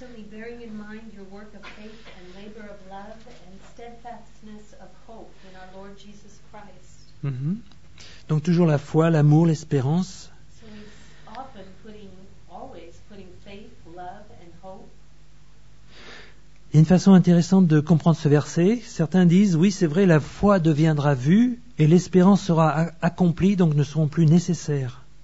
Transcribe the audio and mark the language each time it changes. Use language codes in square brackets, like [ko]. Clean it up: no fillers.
[en] Bearing in mind your work of faith and labor of love and steadfastness of hope in our Lord Jesus Christ. Mm-hmm. [fr] Donc toujours la foi, l'amour, l'espérance. [en] So it's often always putting faith, love and hope. [fr] Il y a une façon intéressante de comprendre ce verset. Certains disent, oui, c'est vrai, la foi deviendra vue et l'espérance sera accomplie, donc ne seront plus nécessaires.